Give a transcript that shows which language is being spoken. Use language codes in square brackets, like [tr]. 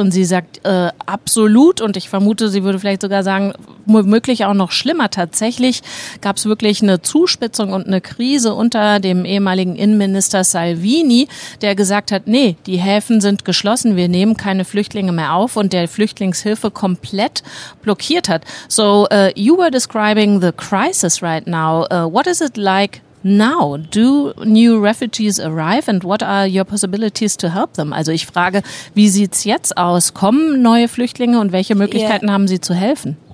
[de] Und sie sagt absolut, und ich vermute, sie würde vielleicht sogar sagen, womöglich auch noch schlimmer. Tatsächlich gab es wirklich eine Zuspitzung und eine Krise unter dem ehemaligen Innenminister Salvini, der gesagt hat, nee, die Häfen sind geschlossen, wir nehmen keine Flüchtlinge mehr auf, und der Flüchtlingshilfe komplett blockiert hat. [en] So, you were describing the crisis right now. What is it like now? Do new refugees arrive, and what are your possibilities to help them? [de] Also ich frage, wie sieht's jetzt aus? Kommen neue Flüchtlinge, und welche Möglichkeiten haben sie zu helfen?